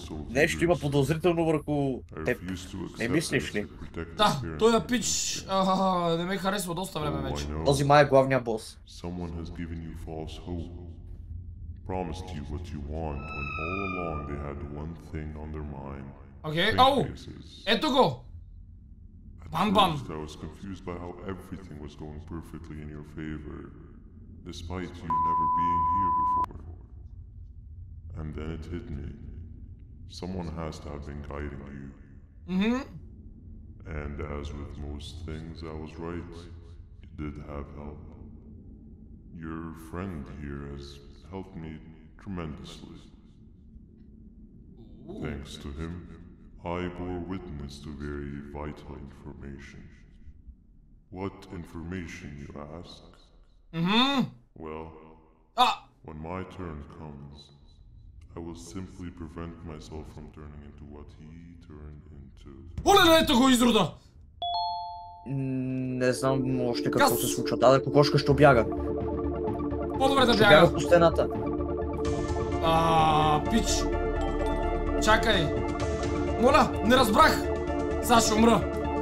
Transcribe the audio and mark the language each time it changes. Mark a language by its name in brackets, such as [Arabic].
[Bulgarian] Нещо има подозрително върху теб. Не мислиш ли? Да, той е пич. Не ме харесва доста време вече. Този май е главния бос. [English] Someone has given you false hope. Promised you what you want when all along they had one thing on their mind. Okay, oh. [Bulgarian] Ето го. Бам бам. [English] I was confused by how everything was going perfectly in your favor. Despite you never being here before. And then it hit me. Someone has to have been guiding you. Mm-hmm. And as with most things, I was right. You did have help. Your friend here has helped me tremendously. Thanks to him, I bore witness to very vital information. What information, you ask? Mm-hmm. Well, when my turn comes, I will simply prevent myself from turning into what he turned into. [Bulgarian] Олеле, ето го изрода! Не знам още какво се случва. Да, кокошка ще бяга. По-добре да бяга. Ще бяга по стената. Пич. Чакай. Моля, не разбрах. Сега ще умра.